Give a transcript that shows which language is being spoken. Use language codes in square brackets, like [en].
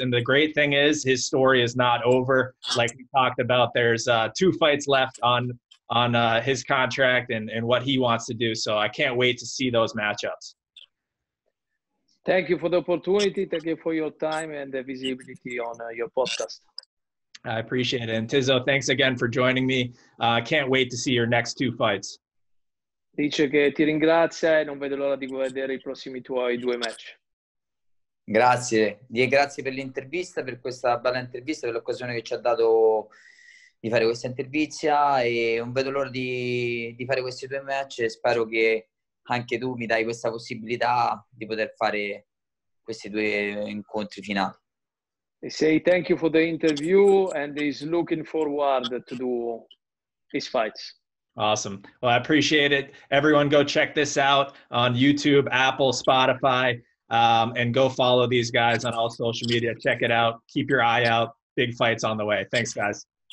[en] And the great thing is, his story is not over. Like we talked about, there's two fights left on his contract and what he wants to do. So I can't wait to see those matchups. Thank you for the opportunity. Thank you for your time and the visibility on your podcast. I appreciate it. And Tizzo, thanks again for joining me. I can't wait to see your next two fights. [it] Dice che ti ringrazia e non vedo l'ora di vedere i prossimi tuoi due match. Grazie. Die grazie per l'intervista, per questa bella intervista, per l'occasione che ci ha dato di fare questa intervista, e non vedo l'ora di fare questi due match, e spero che anche tu mi dai questa possibilità di poter fare questi due incontri finali. [en] I say thank you for the interview and is looking forward to do these fights. Awesome. Well, I appreciate it. Everyone go check this out on YouTube, Apple, Spotify, and go follow these guys on all social media. Check it out. Keep your eye out. Big fights on the way. Thanks, guys.